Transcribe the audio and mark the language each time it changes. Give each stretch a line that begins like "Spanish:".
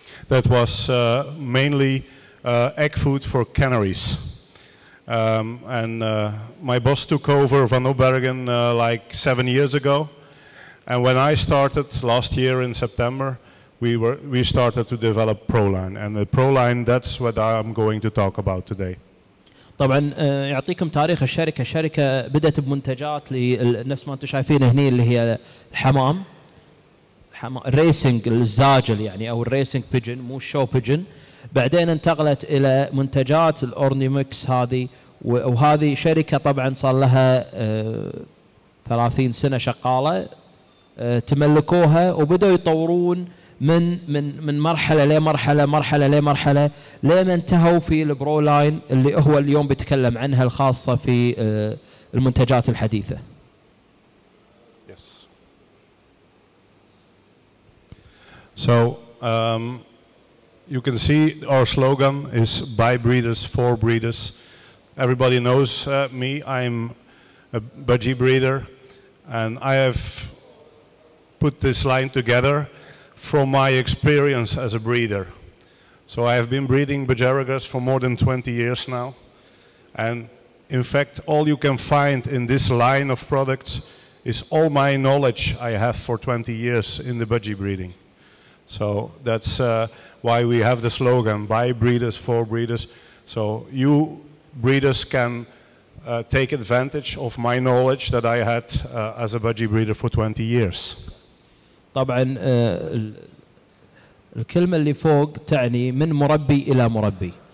English: That was mainly egg food for canaries. My boss took over Van Obergen like 7 years ago. And when I started last year in September, we started to develop Proline. And the Proline, that's what I'm going to talk about today.
Arabic: طبعا يعطيكم تاريخ الشركة. الشركة بدأت بمنتجات لنفس ما انتم شايفين هنا اللي هي الحمام. الريسينج الزاجل يعني او الريسينج بيجن مو الشو بيجن. بعدين انتقلت الى منتجات الاورنيمكس هذه, وهذه شركه طبعا صار لها 30 سنه شقاله تملكوها, وبداوا يطورون من مرحله لمرحله مرحله لمرحله لما انتهوا في البرولاين اللي هو اليوم بيتكلم عنها الخاصه في المنتجات الحديثه.
English: So you can see our slogan is by breeders for breeders. Everybody knows me, I'm a budgie breeder, and I have put this line together from my experience as a breeder. So I have been breeding Bajaragas for more than 20 years now, and in fact all you can find in this line of products is all my knowledge I have for 20 years in the budgie breeding. So that's why we have the slogan, by breeders, for breeders. So you breeders can take advantage of my knowledge that I had as a budgie breeder for 20 years.
Arabic: طبعا الكلمة اللي فوق تعني من مربي إلى مربي.